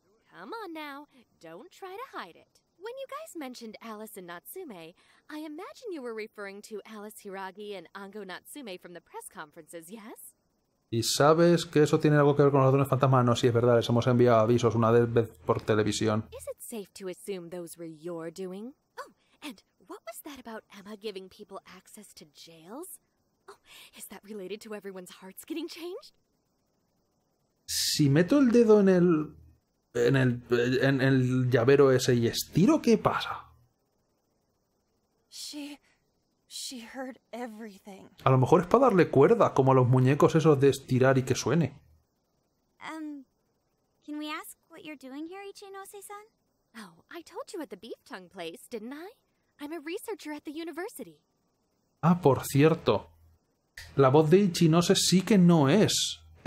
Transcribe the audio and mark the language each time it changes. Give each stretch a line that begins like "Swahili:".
English: Come on now, don't try to hide it. When you guys mentioned Alice and Natsume, I imagine you were referring to Alice Hiragi and Ango Natsume from the press conferences, yes?
Spanish: ¿Y sabes que eso tiene algo que ver con los ladrones fantasmas? No, sí, es verdad, les hemos enviado avisos una vez por televisión.
English: Is it safe to assume those were your doing? Oh, and what was that about Emma giving people access to jails? Oh, is that related to everyone's hearts getting changed?
Spanish: Si meto el dedo en el llavero ese y estiro, ¿qué pasa?
English: She heard everything.
Spanish: A lo mejor es para darle cuerda, como a los muñecos esos de estirar y que suene.
English: Can we ask what you're doing here, Ichinose-san? Oh, I told you at the beef tongue place, didn't I? I'm a researcher at the university.
Spanish: Ah, por cierto. La voz de Ichinose sí que no es.